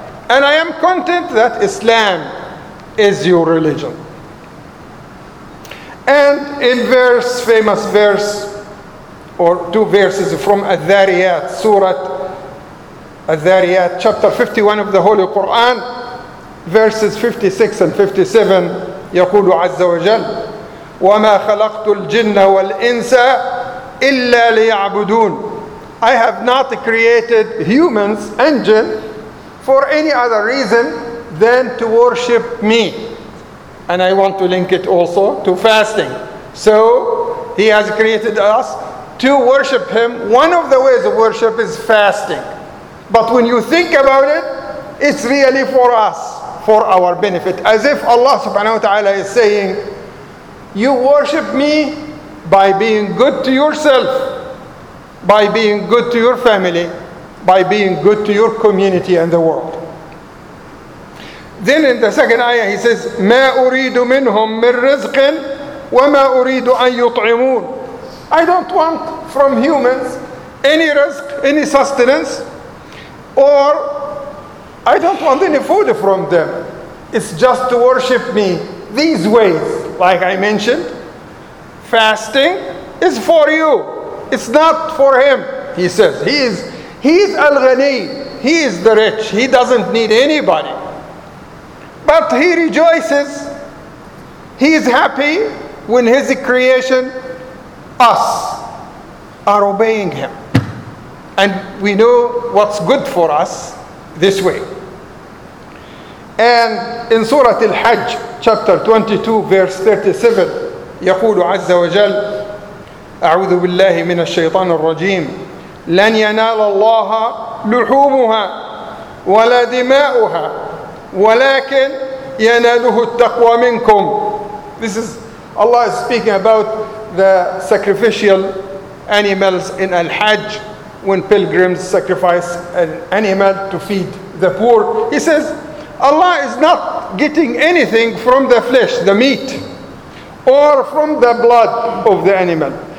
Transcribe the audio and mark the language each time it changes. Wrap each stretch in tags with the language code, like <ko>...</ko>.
<en>And I am content that Islam is your religion. And in verse, famous verse, or two verses from Al-Dhariyat, Surah Al-Dhariyat, chapter 51 of the Holy Quran, verses 56 and 57,</en> <ar>يقول عز وجل وما خلقت الجن والإنس إلا ليعبدون.</ar> <en>I have not created humans and jinn for any other reason than to worship me. And I want to link it also to fasting. So he has created us to worship him. One of the ways of worship is fasting. But when you think about it, it's really for us, for our benefit. As if Allah subhanahu wa ta'ala is saying, you worship me by being good to yourself, by being good to your family, by being good to your community and the world. Then in the second ayah, he says,</en> <ar>مَا أُرِيدُ مِنْهُمْ مِنْ رِزْقٍ وَمَا أُرِيدُ أَنْ يُطْعِمُونَ.</ar> <en>I don't want from humans any risk, any sustenance, or I don't want any food from them. It's just to worship me. These ways, like I mentioned, fasting is for you. It's not for him, he says. He's al-ghani. He is the rich. He doesn't need anybody. But he rejoices. He is happy when his creation, us, are obeying him. And we know what's good for us this way. And in Surah Al-Hajj, chapter 22, verse 37,</en> <ar>يقول عز وجل أعوذ بالله من الشيطان الرجيم لن ينال الله لحومها ولا دماؤها ولكن يناله التقوى منكم.</ar> <en>This is Allah is speaking about the sacrificial animals in Al-Hajj when pilgrims sacrifice an animal to feed the poor. He says Allah is not getting anything from the flesh, the meat, or from the blood of the animal.</en>